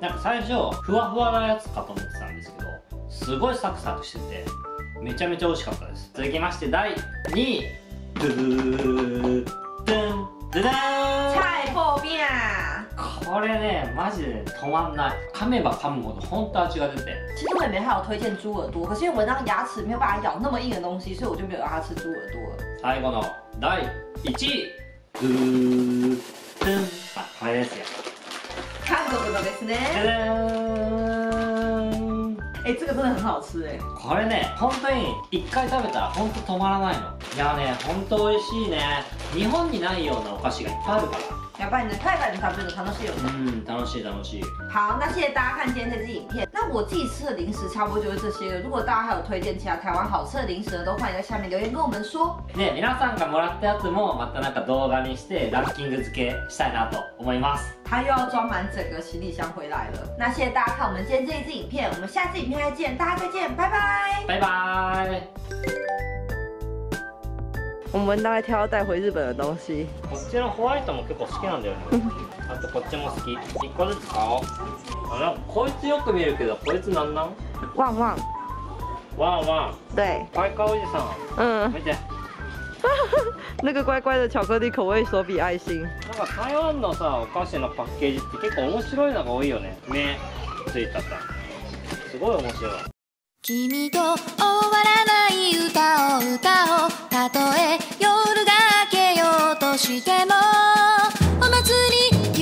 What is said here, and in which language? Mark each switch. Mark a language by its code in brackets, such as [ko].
[ja] なんか最初ふわふわなやつかと思ってたんですけど、すごいサクサクしててめちゃめちゃ美味しかったです。続きまして第2位、ドゥドゥドゥドゥ、チャイポーピアン。これね、マジで止まんない。噛めば噛むほど本当味が出て。 [zh] 其实我也没太有推荐猪耳朵，可是因为我当牙齿没有办法咬那么硬的东西，所以我就没有让他吃猪耳朵了。 [ja] 最後の第1位、ドゥドゥン、あ、これですよ。韓国のですね。ドゥドゥン。 [zh] え、这个真的很好吃耶。 [ja] これね、本当に一回食べたら本当止まらないの。いやね、本当美味しいね。日本にないようなお菓子がいっぱいあるから。やっぱりね、海外で食べると楽しいよね。うん、楽しい楽しい。 [zh] 好、那谢谢大家看今天这支影片。那我自己吃的零食差不多就是这些了。如果大家还有推荐其他台湾好吃的零食呢，都欢迎在下面留言跟我们说。 [ja] ね、皆さんがもらったやつもまたなんか動画にしてランキング付けしたいなと思います。 [zh] 他又要装满整个行李箱回来了。那谢谢大家看我们今天这支影片，我们下次影片再见，大家再见，拜拜。拜拜。我们大概挑要带回日本的东西。 [ja] こっちのホワイトも結構好きなんだよね。あとこっちも好き。一個ずつ買おう。あ、こいつよく見るけど、こいつなんなん？ワンワン。ワンワン。 [zh] 对。 [ja] 乖乖おじさん。嗯。見て。 [zh] 那个乖乖的巧克力口味手比爱心。 [ja] なんか台湾のさ、お菓子のパッケージって結構面白いのが多いよね。目ついたった。すごい面白い。君と終わらない歌を歌おう、たとえ夜が明けようとしても、お祭り